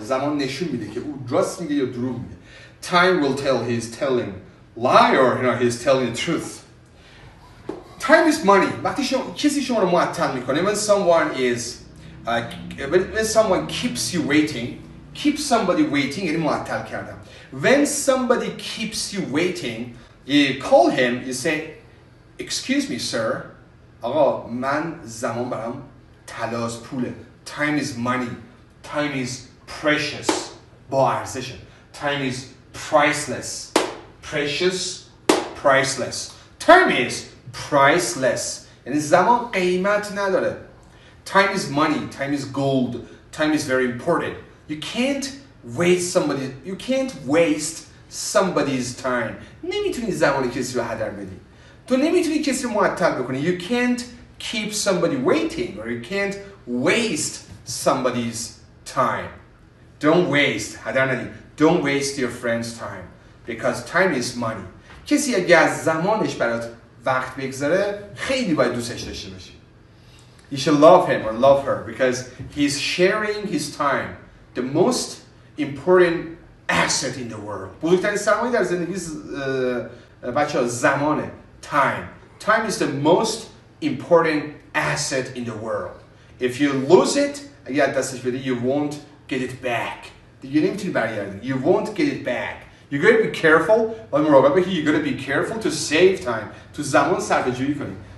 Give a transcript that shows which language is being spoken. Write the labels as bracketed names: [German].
[Persian] زمان نشون میده که او درست میگه یا دروغ میگه. [English] Time will tell. He's telling lie or he's telling the truth. Time is money. [Persian] وقتی کسی شما رو معطل میکنه, [English] when someone is when someone keeps somebody waiting, [Persian] یعنی معطل کرده. [English] When somebody keeps you waiting, you call him, you say, excuse me, sir, [Persian] آقا, من زمان برام تلاز پوله. [English] Time is money. Time is precious. [Persian] با ارزشه. [English] Time is priceless. Precious, priceless. Time is priceless. یعنی زمان قیمت نداره. Time is money, time is gold, time is very important. You can't waste somebody's time. [Persian] نمیتونی زمان کسی رو هدر بدی. تو نمیتونی کسی رو معطل بکنی. [English] You can't keep somebody waiting or you can't waste somebody's time. Don't waste your friend's time because time is money. [Persian] کسی اگه از زمانش برات وقت بگذره, خیلی باید دوستش داشته باشی. [English] You should love him or love her because he's sharing his time, the most important asset in the world. [Persian] بزرگترین سرمایه در زندگی بچه‌ها زمانه. [English] Time is the most important asset in the world. If you lose it, [Persian] اگر دستش بدی, [English] you won't get it back. [Persian] دیگه نمیتونی برگردی. [English] You won't get it back. You gotta be careful. [Persian] ولی مراقب باشی. [English] You gotta be careful to save time. [Persian] تو زمان صرفه‌جویی کنی.